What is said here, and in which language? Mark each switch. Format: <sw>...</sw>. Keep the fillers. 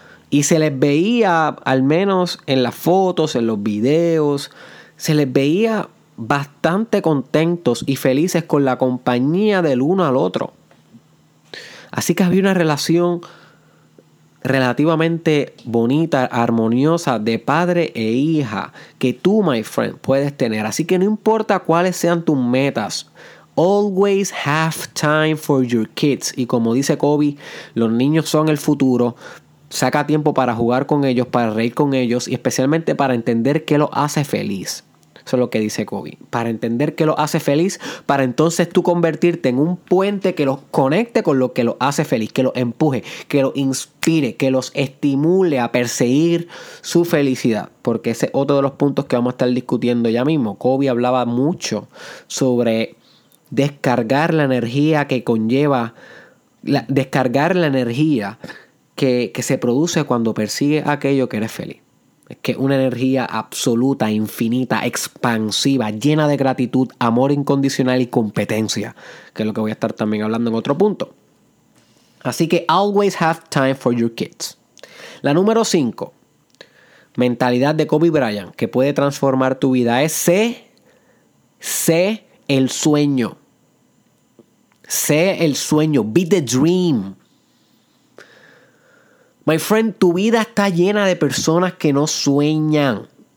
<es>Y se les veía, al menos en las fotos, en los videos, se les veía bastante contentos y felices con la compañía del uno al otro. Así que había una relación relativamente bonita, armoniosa de padre e hija que tú,</es> <en>my friend,</en> <es>puedes tener. Así que no importa cuáles sean tus metas.</es> <en>Always have time for your kids.</en> <es>Y como dice Kobe, los niños son el futuro. Saca tiempo para jugar con ellos, para reír con ellos y especialmente para entender qué lo hace feliz. Eso es lo que dice Kobe. Para entender que lo hace feliz, para entonces tú convertirte en un puente que los conecte con lo que los hace feliz, que los empuje, que los inspire, que los estimule a perseguir su felicidad. Porque ese es otro de los puntos que vamos a estar discutiendo ya mismo. Kobe hablaba mucho sobre descargar la energía que conlleva, la, descargar la energía que, que se produce cuando persigue aquello que eres feliz que una energía absoluta, infinita, expansiva, llena de gratitud, amor incondicional y competencia, que es lo que voy a estar también hablando en otro punto. Así que</es> <en>always have time for your kids.</en> <es>La número 5, mentalidad de Kobe Bryant, que puede transformar tu vida, es sé, sé el sueño. Sé el sueño,</es> <en>be the dream. My friend,</en> <es>tu vida está llena de personas que no sueñan.</es>